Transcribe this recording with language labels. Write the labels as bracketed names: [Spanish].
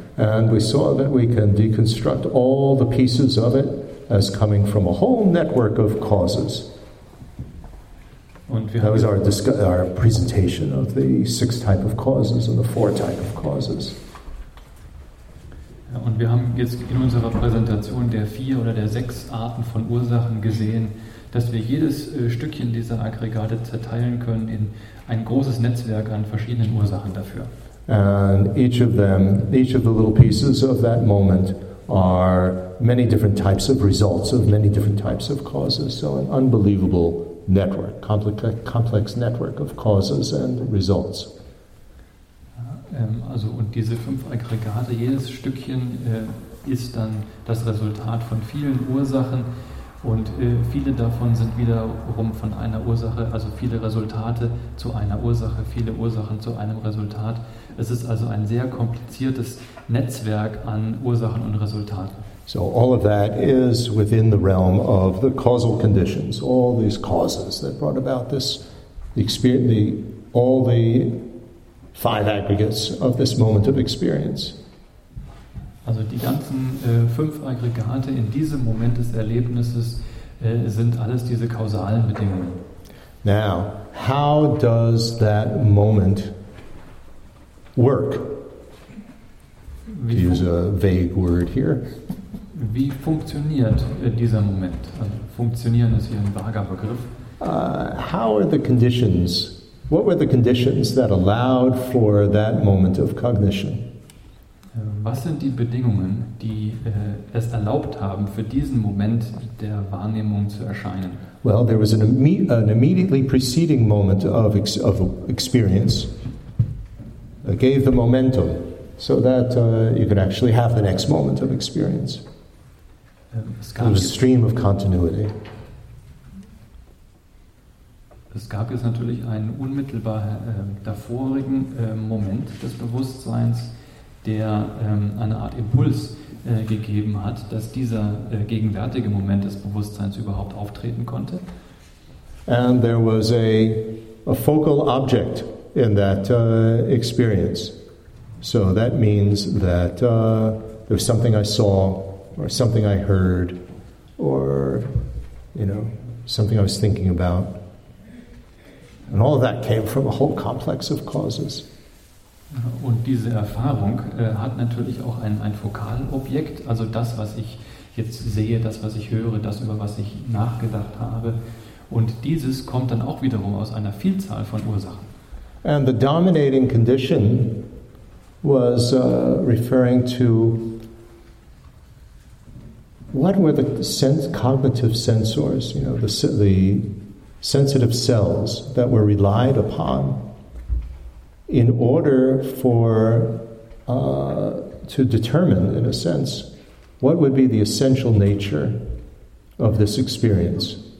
[English] And we saw that we can deconstruct all the pieces of it as coming from a whole network of causes. [German] Und wir [English] that was our presentation of the six type of causes and the four type of causes. [German] Und wir haben jetzt in unserer Präsentation der vier oder der sechs Arten von Ursachen gesehen, dass wir jedes Stückchen dieser Aggregate zerteilen können in ein großes Netzwerk an verschiedenen Ursachen dafür. [English] And each of them, each of the little pieces of that moment are many different types of results of many different types of causes. So an unbelievable network, complex network of causes and results. [German] Also und diese fünf Aggregate, jedes Stückchen ist dann das Resultat von vielen Ursachen und viele davon sind wiederum von einer Ursache, also viele Resultate zu einer Ursache, viele Ursachen zu einem Resultat. Es ist also ein sehr kompliziertes Netzwerk an Ursachen und Resultaten. [English] So all of that is within the realm of the causal conditions, all these causes that brought about this, the experience, all the five aggregates of this moment of experience. [German] Also die ganzen fünf Aggregate in diesem Moment des Erlebnisses sind alles diese kausalen Bedingungen. [English] Now, how does that moment work? To use a vague word here. [German] Wie funktioniert dieser Moment? Also funktionieren ist hier ein vager Begriff. [English] How are the conditions? What were the conditions that allowed for that moment of cognition? [German] Was sind die Bedingungen, die es erlaubt haben, für diesen Moment der Wahrnehmung zu erscheinen? [English] Well, there was an immediately preceding moment of experience that gave the momentum so that you could actually have the next moment of experience. It was a stream of continuity. [German] Es gab jetzt natürlich einen unmittelbar davorigen Moment des Bewusstseins, der eine Art Impuls gegeben hat, dass dieser gegenwärtige Moment des Bewusstseins überhaupt auftreten konnte. [English] And there was a focal object in that experience. So that means that there was something I saw or something I heard or, you know, something I was thinking about. And all of that came from a whole complex of causes. [German] Und diese Erfahrung hat natürlich auch ein Fokalobjekt, also das, was ich jetzt sehe, das, was ich höre, das, über was ich nachgedacht habe. Und dieses kommt dann auch wiederum aus einer Vielzahl von Ursachen. [English] And the dominating condition was referring to what were the cognitive sensors, you know, the sensitive cells that were relied upon in order for to determine, in a sense, what would be the essential nature of this experience.